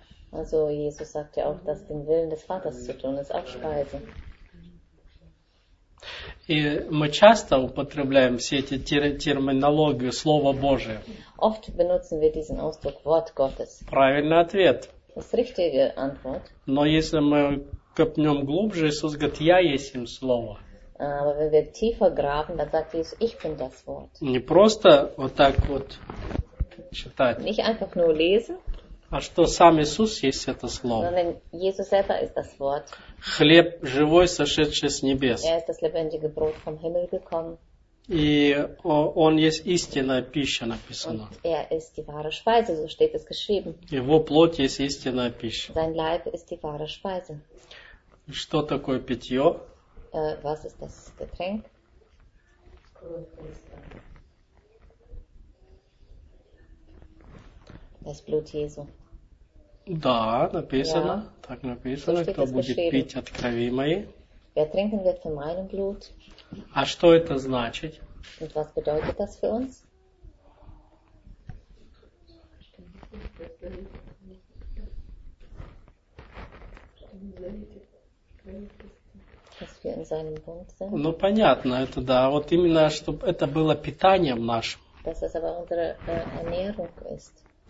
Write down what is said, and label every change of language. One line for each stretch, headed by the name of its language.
German: Also Jesus sagt ja auch, dass den Willen des Vaters zu tun ist, auch Speise.
Russian: И мы часто употребляем все эти терминологии Слова Божие.
German: Oft benutzen wir diesen Ausdruck Wort Gottes.
Russian: Правильный ответ.
German: Das ist richtige Antwort.
Russian: Но если мы копнем глубже, Иисус говорит, я есть им Слово.
German: Aber wenn wir tiefer graben, dann sagt Jesus, ich bin das Wort.
Russian: Не просто вот так вот читать.
German: Nicht einfach nur lesen.
Russian: А что сам Иисус есть это Слово.
German: Sondern Jesus selber ist das Wort.
Russian: Хлеб живой, сошедший с небес.
German: Er ist das lebendige Brot vom Himmel gekommen.
Russian: И он есть истинная пища, написано.
German: Er ist die wahre Speise, so steht es geschrieben.
Russian: Его плоть есть истинная пища.
German: Sein Leib ist die wahre Speise.
Russian: Что такое питье?
German: Was ist das Getränk? Das Blut Jesu.
Russian: Да, написано. Ja. Так написано,
German: so
Russian: кто будет
German: geschrieben.
Russian: Пить от крови моей.
German: Wer trinken wird von meinem Blut?
Russian: А что это значит?
German: Und was bedeutet das für uns? Dass wir in seinem Bund sind.
Russian: Ну понятно, это да. Вот именно, чтобы это было питанием нашим.
German: Dass es aber unsere Ernährung ist.